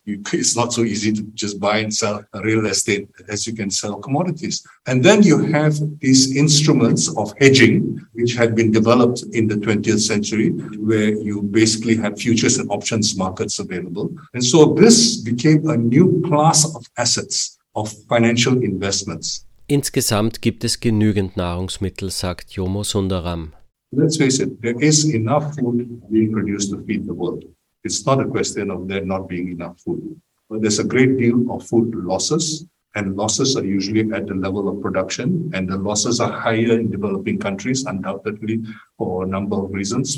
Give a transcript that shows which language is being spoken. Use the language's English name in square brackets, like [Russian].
[English] It's not so easy to just buy and sell a real estate as you can sell commodities. And then you have these instruments of hedging, which had been developed in the 20th century, where you basically have futures and options markets available. And so this became a new class of assets of financial investments. [German] Insgesamt gibt es genügend Nahrungsmittel, sagt Jomo Sundaram. [English] Let's face it, there is enough food being produced to feed the world. It's not a question of there not being enough food. But there's a great deal of food losses, and losses are usually at the level of production, and the losses are higher in developing countries, undoubtedly, for a number of reasons.